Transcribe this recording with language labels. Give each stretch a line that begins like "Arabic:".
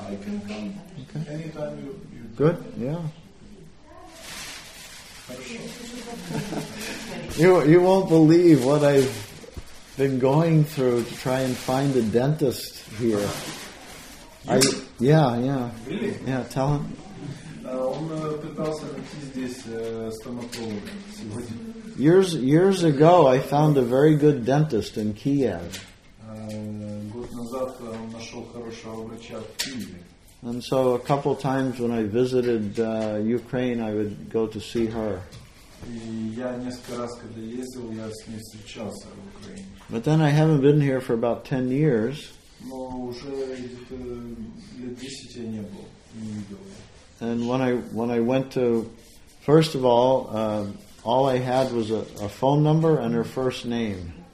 English: I can come. Okay. Anytime you good, do. Yeah. You won't believe what I've been going through to try and find a dentist here. Yeah. Really? Yeah, tell him.
Russian: Он пытался найти здесь стоматолога сегодня.
English: Years ago, I found a very good dentist in Kiev.
Russian: Год назад он нашел хорошего врача в Киеве.
English: And so a couple times when I visited Ukraine, I would go to see her.
Russian: Я несколько раз, когда ездил, я с ней встречался в Украине.
English: But then I haven't been here for about 10 years.
Russian: Но уже где-то лет 10 я не был, не видел.
English: And when I went to, first of all I had was a phone number and her first name.